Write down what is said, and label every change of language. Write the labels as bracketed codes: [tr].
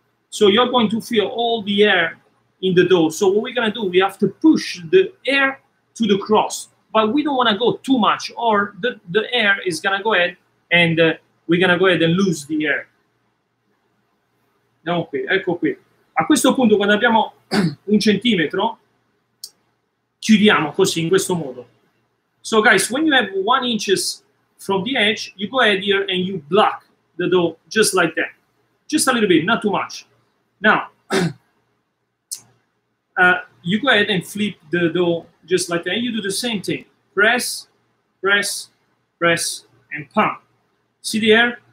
[en] So you're going to feel all the air in the dough. So what we're going to do, we have to push the air to the crust, but we don't want to go too much, or the air is going to go ahead and we're going to go ahead and lose the air. [it] Andiamo qui, ecco qui. A questo punto, quando abbiamo un centimetro, chiudiamo così, in questo modo. [en] So guys, when you have 1 inch from the edge, you go ahead here and you block the dough just like that. Just a little bit, not too much. Now, you go ahead and flip the dough just like that. And you do the same thing. Press, press, press, and pump. See the air?